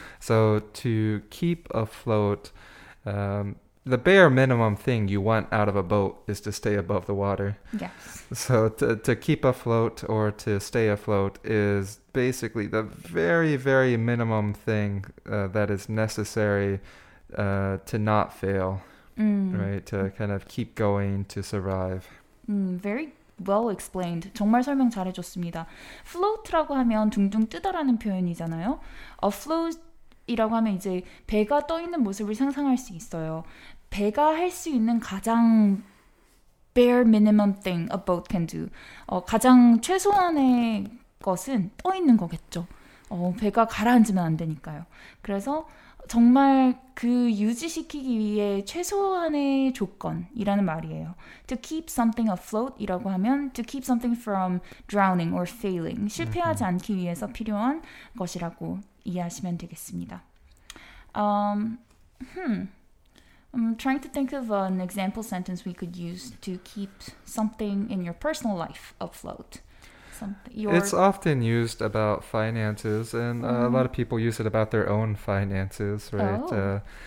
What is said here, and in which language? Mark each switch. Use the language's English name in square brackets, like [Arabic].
[English] So to keep afloat, the bare minimum thing you want out of a boat is to stay above the water. Yes. So to keep afloat or to stay afloat is basically the very, very minimum thing that is necessary to not fail, right? To kind of keep going, to survive. Very well explained. [Korean] 정말 설명 잘해줬습니다. Float라고 하면 둥둥 뜨다라는 표현이잖아요. Afloat이라고 하면 이제 배가 떠있는 모습을 상상할 수 있어요. 배가 할 수 있는 가장 [English] bare minimum thing a boat can do. [Korean] 가장 최소한의 것은 떠있는 거겠죠. 배가 가라앉으면 안 되니까요. 그래서 정말 그 유지시키기 위해 최소한의 조건이라는 말이에요. [English] To keep something afloat이라고 하면 to keep something from drowning or failing. [Korean] 실패하지 않기 위해서 필요한 것이라고 이해하시면 되겠습니다. [English] I'm trying to think of an example sentence we could use to keep something in your personal life afloat. It's often used about finances, and a lot of people use it about their own finances, right?